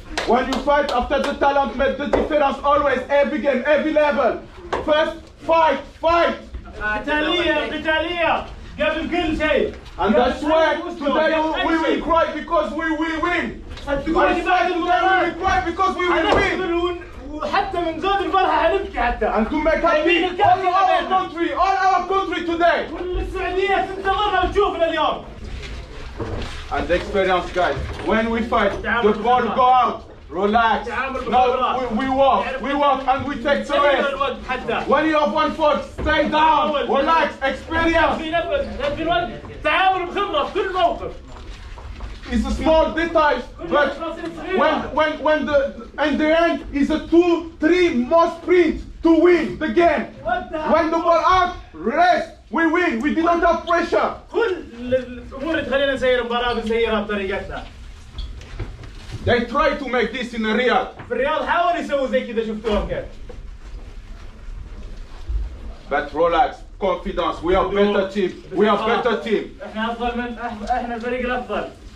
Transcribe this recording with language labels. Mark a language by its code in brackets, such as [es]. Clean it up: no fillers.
[en] When you fight after the talent makes the difference always, every game, every level. First, fight, fight! [ar] قتالية قبل كل شيء. [en] And that's why today we will cry because we will win. And today we will cry because we will win. [ar] حتى من زود الفرحة حنبكي حتى. [en] And to make happy all our country today. [ar] كل السعودية تنتظرنا وتشوفنا اليوم. [en] And the experience, guys, when we fight, the ball go out, relax. Now we walk, and we take the rest. When you have one foot, stay down, relax, experience. It's a small detail, but when the in the end is a 2-3 more sprint to win the game. When the ball out, rest. We win. We did not have pressure. [ar] كل الأمور تخلينا نسير المباراة بنسيرها بطريقتنا. [en] They try to make this in Riyadh. [ar] في الرياض حاول يسوي زي كذا شفتوهم كيف. [en] But relax, confidence. We are better team. We are better team. [ar] إحنا أفضل من إحنا الفريق الأفضل.